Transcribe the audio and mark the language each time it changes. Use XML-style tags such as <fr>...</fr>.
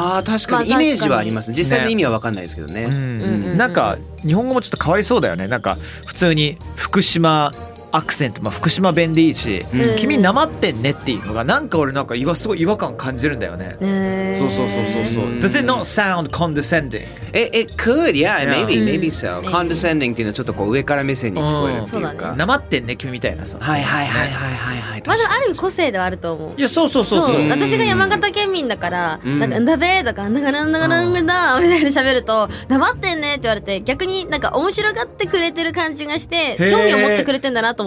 <ja>あー、確かに、イメージはあります。実際の意味は分かんないですけどね。ね、うんうんうん、なんか日本語もちょっと変わりそうだよね。なんか普通に福島アクセント、まあ、福島弁でいいし、うん、君なまってんねっていうのがなんか俺なんかすごい違和感感じるんだよね。そうそうそうそうそう。</ja> <en>Does it not sound condescending? It could, yeah, maybe, yeah. maybe so.</en> <ja>Condescending っていうのはちょっとこう上から目線に聞こえるっていうか、なまってんね君みたいなさ。はいはいはいはいはいはい。まだある個性ではあると思う。いや、そうそうそうそう。そう、私が山形県民だから、なんかだべーとかなんかなんかなんかなんかみたいに喋ると、なまってんねって言われて、逆になんか面白がってくれてる感じがして、興味を持ってくれてんだなと。</ja>